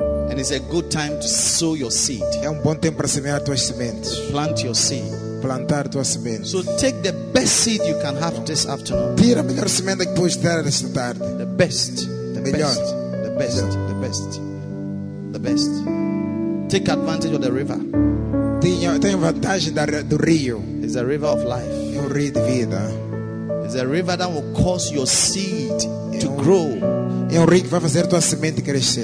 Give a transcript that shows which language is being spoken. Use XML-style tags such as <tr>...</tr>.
<en>And it's a good time to sow your seed.</en> <pt>É bom tempo para semear tuas sementes.</pt> <en>Plant your seed.</en> <pt>Plantar tua semente.</pt> <en>So take the best seed you can have this afternoon.</en> <pt>Tira a melhor semente que podes ter esta tarde.</pt> <en>The best. The</en> <pt>melhor.</pt> <en>Best. The best. The best. The best. Take advantage of the river.</en> <pt>Tenha vantagem do rio.</pt> <en>It's a river of life.</en> <pt>É rio de vida.</pt> <en>It's a river that will cause your seed to grow.</en> <pt>É rio que vai fazer tua semente crescer.</pt>